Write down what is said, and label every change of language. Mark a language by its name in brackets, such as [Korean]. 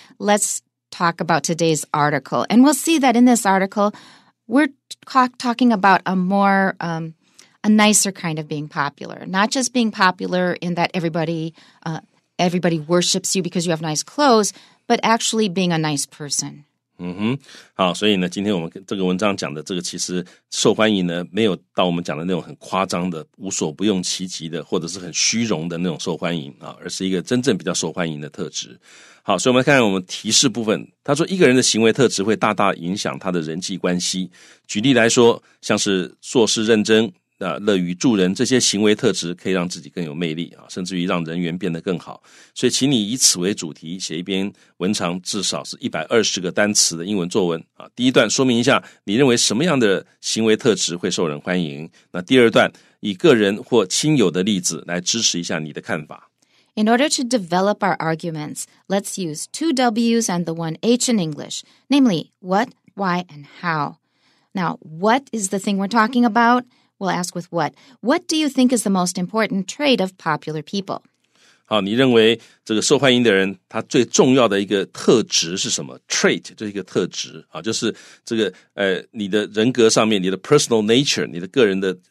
[English] Let's talk about today's article, and we'll see that in this articleWe're talking about a more, a nicer kind of being popular. Not just being popular in that everybody worships you because you have nice clothes, but actually being a nice person. [Chinese] 嗯哼，好，所以呢，今天我们这个文章讲的这个其实受欢迎呢，没有到我们讲的那种很夸张的、无所不用其极的，或者是很虚荣的那种受欢迎，而是一个真正比较受欢迎的特质。好，所以我们来看看我们提示部分。他说，一个人的行为特质会大大影响他的人际关系。举例来说，像是做事认真、乐于助人，这些行为特质可以让自己更有魅力、甚至于让人缘变得更好。所以请你以此为主题写一篇文长至少是120个单词的英文作文、第一段说明一下你认为什么样的行为特质会受人欢迎，那第二段以个人或亲友的例子来支持一下你的看法。 [English] In order to develop our arguments, let's use two W's and the one H in English, namely what, why, and how. Now, what is the thing we're talking about? We'll ask with what. What do you think is the most important trait of popular people? [Chinese] 好，你认为这个受欢迎的人，他最重要的一个特质是什么 ？Trait 就是一个特质啊，就是这个你的人格上面，你的 personal nature，你的个人的。